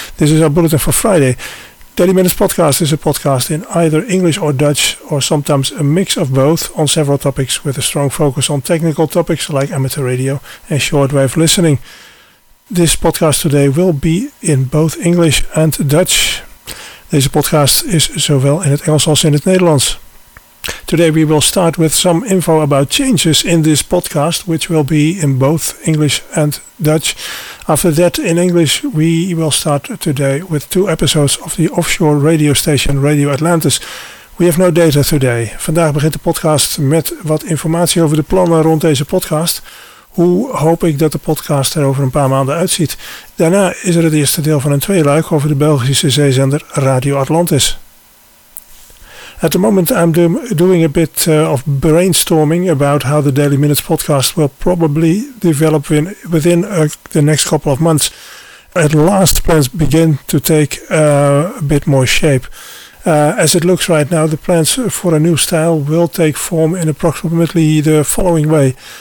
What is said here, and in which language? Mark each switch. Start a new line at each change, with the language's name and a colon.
English: This is our bulletin for Friday. Daily Minutes podcast is a podcast in either English or Dutch, or sometimes a mix of both, on several topics with a strong focus on technical topics like amateur radio and shortwave listening. This podcast today will be in both English and Dutch.
Dutch: Deze podcast is zowel in het Engels als in het Nederlands.
English: Today we will start with some info about changes in this podcast, which will be in both English and Dutch. After that, in English, we will start today with two episodes of the offshore radio station Radio Atlantis. We have no data today.
Dutch: Vandaag begint de podcast met wat informatie over de plannen rond deze podcast. Hoe hoop ik dat de podcast er over een paar maanden uitziet? Daarna is er het eerste deel van een tweeluik over de Belgische zeezender Radio Atlantis.
English: At the moment I'm doing a bit of brainstorming about how the Daily Minutes podcast will probably develop within the next couple of months. At last, plans begin to take a bit more shape. As it looks right now, the plans for a new style will take form in approximately the following way.